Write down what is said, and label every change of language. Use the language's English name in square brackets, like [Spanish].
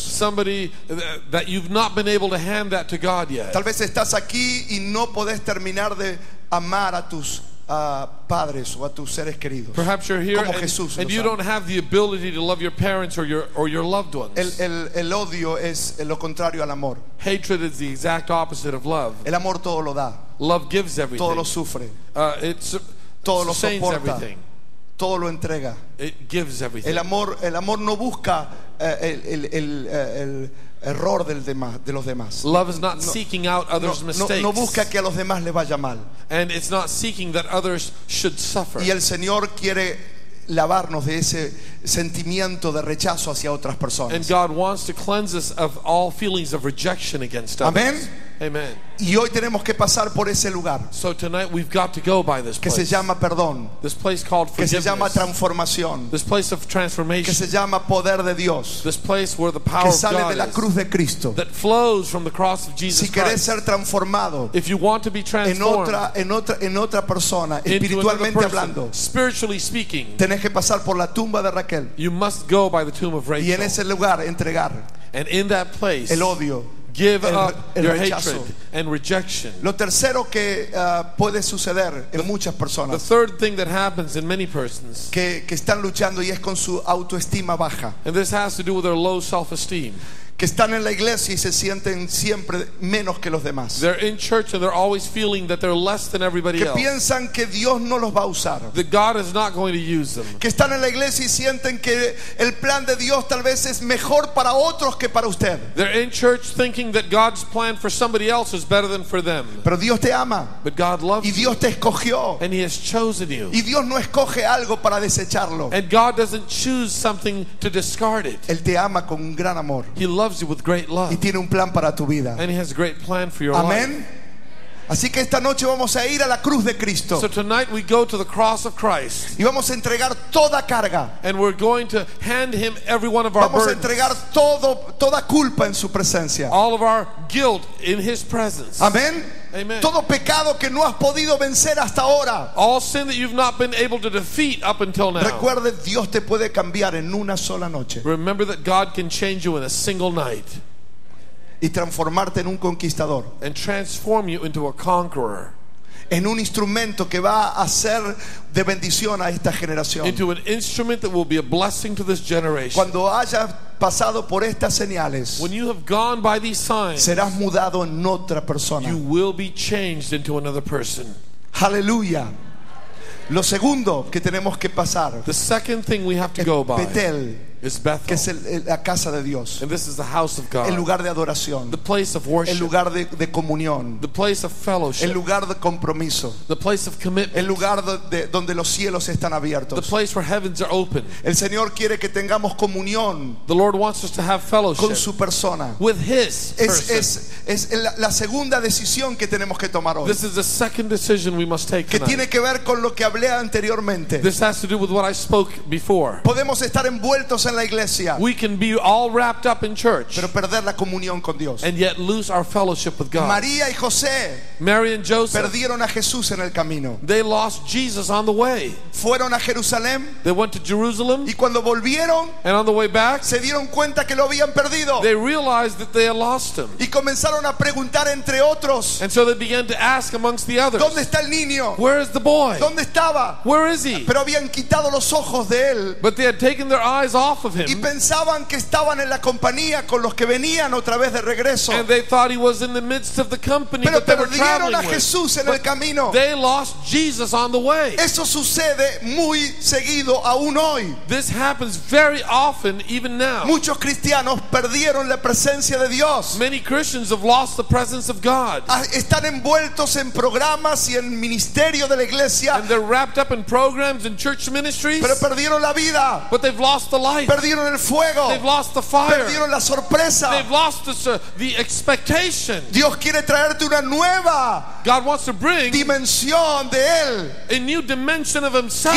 [English] Somebody that you've not been able to hand that to God yet. [Spanish] Tal vez estás aquí y no podés terminar de amar a tus padres o a tus seres queridos. [English] Perhaps you're here [Spanish] como Jesús [English] and you don't have the ability to love your parents or your loved ones. [Spanish] El odio es lo contrario al amor. [English] Hatred is the exact opposite of love. [Spanish] El amor todo lo da. [English] Love gives everything. [Spanish] Todo lo sufre. Todo lo soporta. [English] Everything. [Spanish] Todo lo entrega. [English] It gives everything. [Spanish] El amor no busca el error del demás, de los demás. [English] Love is not seeking out others' mistakes. [Spanish] No busca que a los demás les vaya mal. [English] And it's not seeking that others should suffer. [Spanish] Y el Señor quiere lavarnos de ese sentimiento de rechazo hacia otras personas. [English] And God wants to cleanse us of all feelings of rejection against others. [Spanish] Amén. [English] Amen. [Spanish] Y hoy tenemos que pasar por ese lugar. [English] So tonight we've got to go by this place. [Spanish] Que se llama perdón. [English] This place called forgiveness. [Spanish] Que se llama transformación. [English] This place of transformation. [Spanish] Que se llama poder de Dios. [English] This place where the power of God is. [Spanish] Que sale de la cruz de Cristo. [English] That flows from the cross of Jesus [Spanish] Christ. Si quieres ser transformado. [English] If you want to be transformed. [Spanish] En otra persona, espiritualmente hablando. [English] Spiritually speaking. [Spanish] Tienes que pasar por la tumba de Raquel. [English] You must go by the tomb of Rachel. [Spanish] Y en ese lugar entregar. [English] And in that place. [Spanish] El odio. [English] Give up your [Spanish] rechazo. [English] Hatred and rejection. [Spanish] Lo tercero que puede suceder en muchas personas. [English] The third thing that happens in many persons. [Spanish] Que están luchando y es con su autoestima baja. [English] And this has to do with their low self-esteem. [Spanish] que están en la iglesia y se sienten siempre menos que los demás. [English] They're in church and they're always feeling that they're less than everybody else. [Spanish] Que piensan que Dios no los va a usar. [English] That God is not going to use them. [Spanish] Que están en la iglesia y sienten que el plan de Dios tal vez es mejor para otros que para usted. [English] They're in church thinking that God's plan for somebody else is better than for them. [Spanish] Pero Dios te ama. [English] But God loves you. [Spanish] Y Dios te escogió. [English] And he has chosen you. [Spanish] Y Dios no escoge algo para desecharlo. [English] And God doesn't choose something to discard it. [Spanish] Él te ama con un gran amor. [English] He loves you with great love. [Spanish] Y tiene un plan para tu vida. [English] And he has a great plan for your Amen. Life. [Spanish] Así que esta noche vamos a ir a la cruz de Cristo. [English] So tonight we go to the cross of Christ. [Spanish] Y vamos a entregar toda carga. [English] And we're going to hand him every one of [Spanish] vamos [English] our burdens. [Spanish] Vamos a entregar todo, toda culpa en su presencia. [English] All of our guilt in his presence. Amen. Amen. [Spanish] Todo pecado que no has podido vencer hasta ahora. [English] All sin that you've not been able to defeat up until now. [Spanish] Recuerde, Dios te puede cambiar en una sola noche. [English] Remember that God can change you in a single night. [Spanish] Y transformarte en un conquistador. [English] And transform you into a conqueror. [Spanish] En un instrumento que va a ser de bendición a esta generación. [English] Into an instrument that will be a blessing to this generation. [Spanish] Cuando haya pasado por estas señales, [English] when you have gone by these signs, [Spanish] serás mudado en otra persona. [English] You will be changed into another person. [Spanish] Hallelujah. Lo segundo que tenemos que pasar, [English] the second thing we have to go by, [Spanish] Betel, [English] is Bethel, [Spanish] que es la casa de Dios. [English] And this is the house of God. [Spanish] El lugar de adoración. [English] The place of worship. [Spanish] El lugar de comunión. [English] The place of fellowship. [Spanish] El lugar de compromiso. [English] The place of commitment. [Spanish] El lugar donde los cielos están abiertos. [English] The place where heavens are open. [Spanish] El Señor quiere que tengamos comunión. [English] The Lord wants us to have fellowship. [Spanish] Con su persona. [English] With his person. [Spanish] Es la segunda decisión que tenemos que tomar hoy. [English] This is the second decision we must take tonight. [Spanish] Que tiene que ver con lo que hablé anteriormente. [English] This has to do with what I spoke before. [Spanish] Podemos estar envueltos en la iglesia, [English] we can be all wrapped up in church, [Spanish] pero perder la comunión con Dios, [English] and yet lose our fellowship with God. [Spanish] María y José, [English] Mary and Joseph, [Spanish] perdieron a Jesús en el camino. [English] They lost Jesus on the way. [Spanish] Fueron a Jerusalén, [English] they went to Jerusalem, [Spanish] y cuando volvieron, [English] and on the way back, [Spanish] se dieron cuenta que lo habían perdido. [English] They realized that they had lost him. [Spanish] Y comenzaron a preguntar entre otros, [English] and so they began to ask amongst the others, [Spanish] ¿dónde está el niño? [English] Where is the boy? [Spanish] ¿Dónde estaba? [English] Where is he? [Spanish] Pero habían quitado los ojos de él. [English] But they had taken their eyes off. [Spanish] Y pensaban que estaban en la compañía con los que venían otra vez de regreso. [English] And they thought he was in the midst of the company. [Spanish] Pero perdieron a Jesús en el camino. [English] They lost Jesus on the way. [Spanish] Eso sucede muy seguido aún hoy. [English] This happens very often even now. [Spanish] Muchos cristianos perdieron la presencia de Dios. [English] Many Christians have lost the presence of God. [Spanish] Están envueltos en programas y en ministerio de la iglesia. [English] And they're wrapped up in programs and church ministries. [Spanish] Pero perdieron la vida. [English] But they've lost the life. [Spanish] Perdieron el fuego. [English] They've lost the fire. [Spanish] Perdieron la sorpresa. [English] They've lost the expectation. [Spanish] Dios quiere traerte una nueva. [English] God wants to bring [Spanish] dimensión de él. [English] A new dimension of himself.